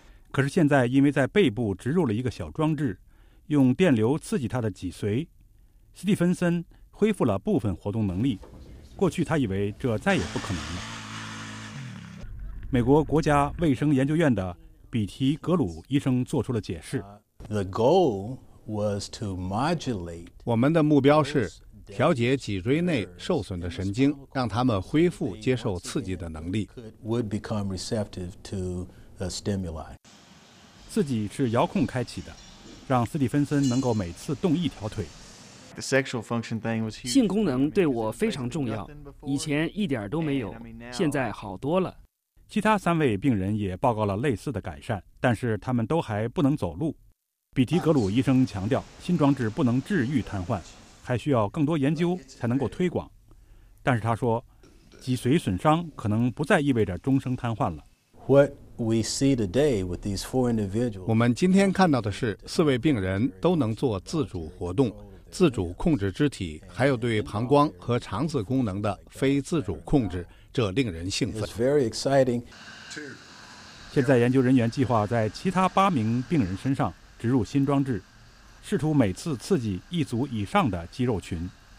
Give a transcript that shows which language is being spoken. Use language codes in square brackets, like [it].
[zh] 可是现在，因为在背部植入了一个小装置，用电流刺激他的脊髓，斯蒂芬森恢复了部分活动能力。过去他以为这再也不可能了。美国国家卫生研究院的比提格鲁医生做出了解释。 [en] The goal was to modulate. [zh] 我们的目标是调节脊椎内受损的神经，让他们恢复接受刺激的能力。 [en] Would become receptive to a stimuli. [zh] 刺激是遥控开启的，让斯蒂芬森能够每次动一条腿。 [en] The sexual function thing was huge. [zh] 性功能对我非常重要，以前一点都没有，现在好多了。其他三位病人也报告了类似的改善，但是他们都还不能走路。比提格鲁医生强调，新装置不能治愈瘫痪，还需要更多研究才能够推广。但是他说，脊髓损伤可能不再意味着终生瘫痪了。 [en] What we see today with these four individuals， [zh] 我们今天看到的是四位病人都能做自主活动，自主控制肢体，还有对膀胱和肠子功能的非自主控制，这令人兴奋。 [en] It's very exciting。 [zh] 现在研究人员计划在其他八名病人身上植入新装置，试图每次刺激一组以上的肌肉群。